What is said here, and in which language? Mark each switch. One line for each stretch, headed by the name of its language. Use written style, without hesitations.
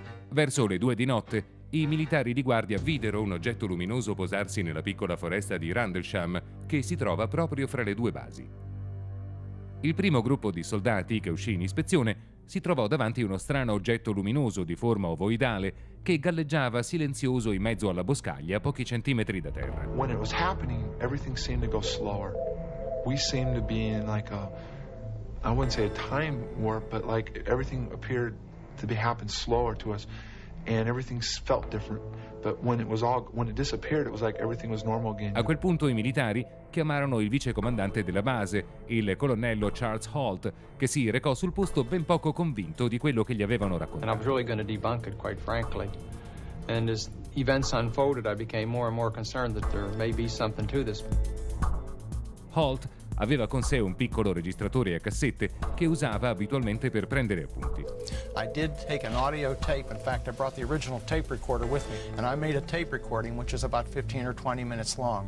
Italian: Verso le 2 di notte, i militari di guardia videro un oggetto luminoso posarsi nella piccola foresta di Randlesham, che si trova proprio fra le due basi. Il primo gruppo di soldati che uscì in ispezione si trovò davanti a uno strano oggetto luminoso di forma ovoidale che galleggiava silenzioso in mezzo alla boscaglia a pochi centimetri da terra.
English: When it was happening, everything seemed to go slower. We seemed to be in like a, I wouldn't say a time warp, but like everything appeared to be happening slower to us, and everything felt different. But when it disappeared, it was like everything was normal again.
Italian: A quel punto i militari chiamarono il vicecomandante della base, il colonnello Charles Holt, che si recò sul posto ben poco convinto di quello che gli avevano raccontato.
English: And I was really going to debunk it, quite frankly. And as events unfolded, I became more and more concerned that there may be something to this.
Italian: Holt aveva con sé un piccolo registratore a cassette che usava abitualmente per prendere appunti.
English: I did take an audio tape. In fact, I brought the original tape recorder with me, and I made a tape recording which is about 15 or 20 minutes long.